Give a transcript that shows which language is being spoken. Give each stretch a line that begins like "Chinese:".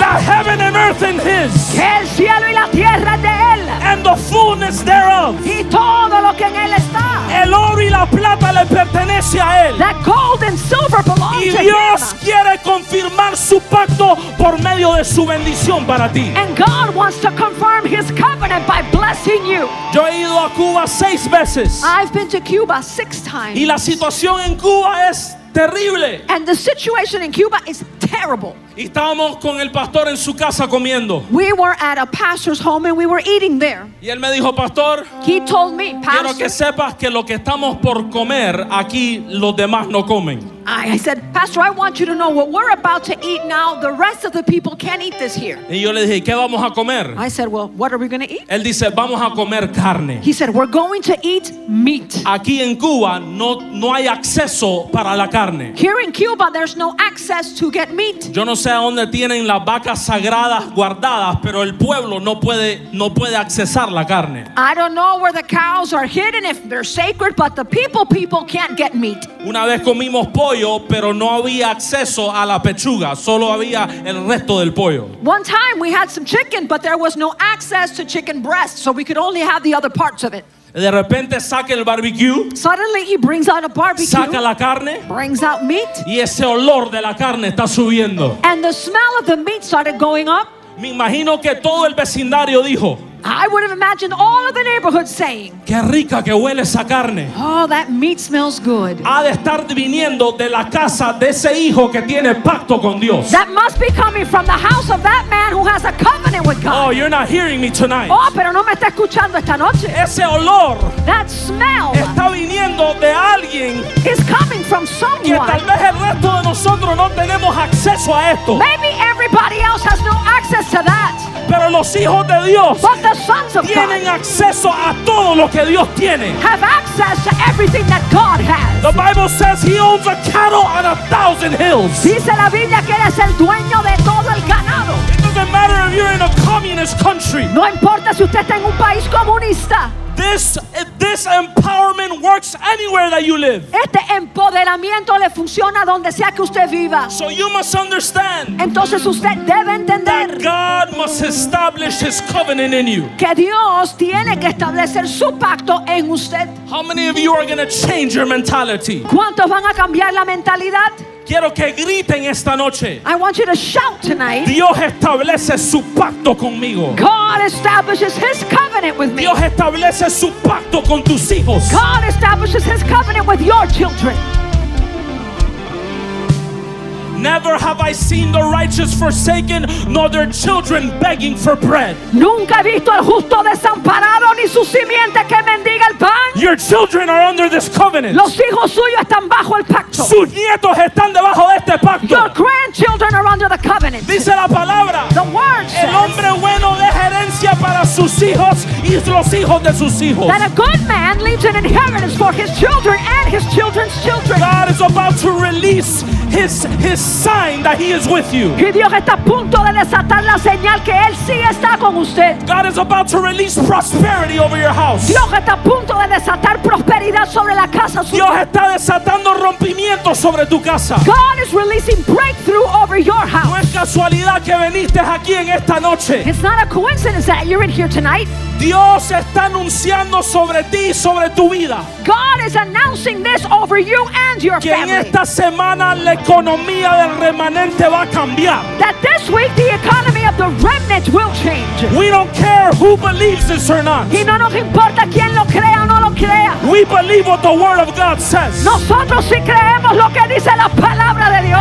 English: That heaven and earth in His.
Spanish: Que el cielo y la tierra de él.
English: And the fullness thereof.
Spanish: Y todo lo que en él está. El oro y la plata le pertenece a él.
English: That gold and silver belongs to him.
Spanish: Y Dios quiere confirmar su pacto por medio de su bendición para ti.
English: And God wants to confirm His covenant by blessing you.
Spanish: Yo he ido a Cuba 6 veces.
English: I've been to Cuba 6 times.
Spanish: Y la situación en Cuba es terrible.
English: And the situation in Cuba is terrible.
Spanish: Y estábamos con el pastor en su casa comiendo.
English: We were at a pastor's home and we were eating there.
Spanish: Y él me dijo, pastor,
English: he told me, pastor,
Spanish: quiero que sepas que lo que estamos por comer aquí los demás no comen.
English: I said, pastor, I want you to know what we're about to eat now. The rest of the people can't eat this here.
Spanish: Y yo le dije, ¿qué vamos a comer?
English: I said, well, what are we going to eat?
Spanish: Él dice, vamos a comer carne.
English: He said, we're going to eat meat.
Spanish: Aquí en Cuba no hay acceso para la carne.
English: Here in Cuba, there's no access to get meat.
Spanish: Yo no sé a dónde tienen las vacas sagradas guardadas, pero el pueblo no puede accesar la carne.
English: I don't know where the cows are hidden if they're sacred, but the people can't get meat.
Spanish: Una vez comimos pollo. Pero no había acceso a la pechuga, solo había el resto del pollo.
English: One time we had some chicken, but there was no access to chicken breast, so we could only have the other parts of it.
Spanish: De repente saca el barbecue.
English: Suddenly he brings out a barbecue.
Spanish: Saca la carne.
English: Brings out meat.
Spanish: Y ese olor de la carne está subiendo.
English: And the smell of the meat started going up.
Spanish: Me imagino que todo el vecindario dijo.
English: I would have imagined all of the neighborhood saying,
Spanish: qué rica que huele esa carne.
English: Oh, that meat smells good.
Spanish: Ha de estar viniendo de la casa de ese hijo que tiene pacto con Dios.
English: That must be coming from the house of that man who has a covenant with God. Oh, you're not hearing me tonight.
Spanish: Oh, pero no me está escuchando esta noche. Ese olor,
English: that smell,
Spanish: está viniendo de alguien,
English: is coming from someone.
Spanish: Que tal vez el resto de nosotros no tenemos acceso a esto.
English: Maybe everybody else has no access to that.
Spanish: Pero los hijos de Dios,
English: but the sons of
Spanish: tienen
English: God
Spanish: acceso a todo lo que Dios tiene.
English: Have access to everything that God has. The Bible says He owns a cattle on a thousand hills.
Spanish: Dice la Biblia que él es el dueño de todo el ganado.
English: It doesn't matter if you're in a communist country.
Spanish: No importa si usted está en un país comunista.
English: This empowerment works anywhere that you live.
Spanish: Este empoderamiento le funciona donde sea que usted viva.
English: So you must understand.
Spanish: Entonces usted debe entender.
English: That God must establish His covenant in you.
Spanish: Que Dios tiene que establecer su pacto en usted.
English: How many of you are going to change your mentality?
Spanish: ¿Cuántos van a cambiar la mentalidad? Quiero que griten esta noche.
English: I want you to shout tonight.
Spanish: Dios establece su pacto conmigo.
English: God establishes His covenant with me.
Spanish: Dios establece su pacto con tus hijos.
English: God establishes His covenant with your children. Never have I seen the righteous forsaken, nor their children begging for bread.
Spanish: Nunca he visto al justo desamparado ni su simiente que mendiga el pan.
English: Your children are under this covenant.
Spanish: Los hijos suyos están bajo el pacto. Sus nietos están debajo de este pacto.
English: Your grandchildren are under the covenant.
Spanish: Dice la palabra.
English: The word says.
Spanish: El hombre bueno deja herencia para sus hijos y los hijos de sus hijos.
English: That a good man leaves an inheritance for his children and his children's children. God is about to release His sign that He is with you.
Spanish: Y Dios está a punto de desatar la señal que Él sí está con usted.
English: God is about to release prosperity over your house.
Spanish: Dios está a punto de desatar prosperidad sobre la casa suya. Dios está desatando rompimiento sobre tu casa.
English: God is releasing breakthrough over your house.
Spanish: No es casualidad que viniste aquí en esta noche.
English: It's not a coincidence that you're in here tonight.
Spanish: Dios está anunciando sobre ti y sobre tu vida.
English: God is announcing this over you and your
Spanish: que
English: family.
Spanish: Que esta semana la economía del remanente va a cambiar.
English: That this week the economy of the remnant will change. We don't care who believes this or not.
Spanish: Y no nos importa quién lo crea o no lo crea.
English: We believe what the word of God says.
Spanish: Nosotros sí creemos lo que dice la palabra de Dios.